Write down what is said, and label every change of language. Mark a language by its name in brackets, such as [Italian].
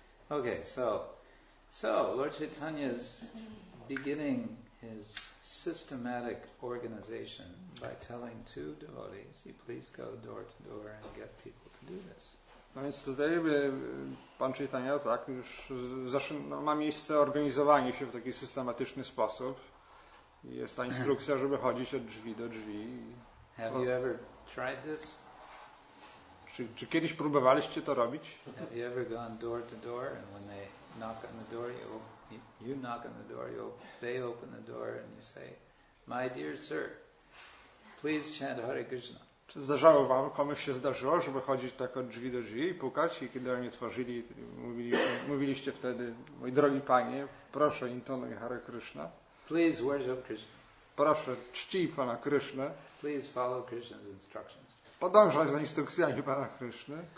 [English] Okay, so Lord Chaitanya is beginning his systematic organization by telling two devotees, you please go door to door and get people to do this. [Polish] No więc tutaj Pan Chaitanya tak już ma miejsce organizowanie się w taki systematyczny sposób. Jest ta instrukcja, żeby chodzić od drzwi do drzwi. [English] Have you ever tried this? [Polish] Czy kiedyś próbowaliście to robić? [English] Have you ever gone door to door and when they knock on the door, you knock on the door, they open the door and you say, my dear sir, please chant Hare Krishna. [Polish] Czy zdarzało wam, komuś się zdarzyło, żeby chodzić tak od drzwi do drzwi i pukać i kiedy oni otworzyli, mówiliście wtedy, mój drogi panie, proszę intonuj Hare Krishna. [English] Please worship Krishna. [Polish] Proszę, czcij Pana Krishna. [English] Please follow Krishna's instructions. [Polish] Podążaj za instrukcjami Pana Krishna.